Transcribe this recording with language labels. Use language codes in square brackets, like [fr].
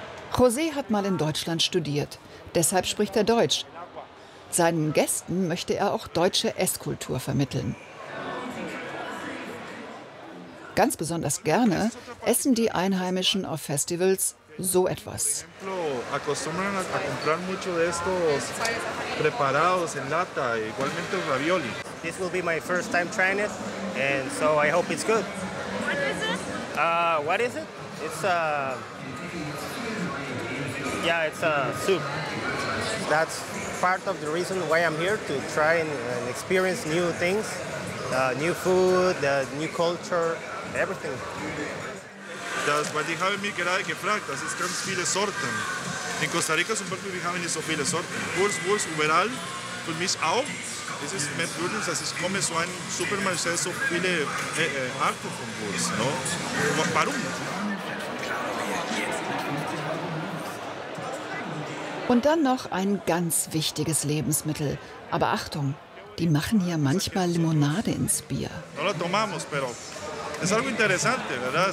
[de] José hat mal in Deutschland studiert. Deshalb spricht er Deutsch. Seinen Gästen möchte er auch deutsche Esskultur vermitteln. Ganz besonders gerne essen die Einheimischen auf Festivals so etwas. [es] Acostumbran a comprar mucho de estos preparados en lata, igualmente ravioli. [en] This will be my first time trying it, and so I hope it's good. What is it? What is it? It's a. Yeah, it's a soup. That's part of the reason why I'm here, to try and experience new things, new food, new culture, everything. [de] Das, weil die haben mich gerade gefragt, das ist ganz viele Sorten. In Costa Rica zum Beispiel, wir haben nicht so viele Sorten. Wurst, überall. Für mich auch. Es ist merkwürdig, dass ich komme so ein Supermarkt, so viele Arten von Wurst. No? Warum? Und dann noch ein ganz wichtiges Lebensmittel. Aber Achtung, die machen hier manchmal Limonade ins Bier. [es] No la tomamos, pero es algo interesante, ¿verdad?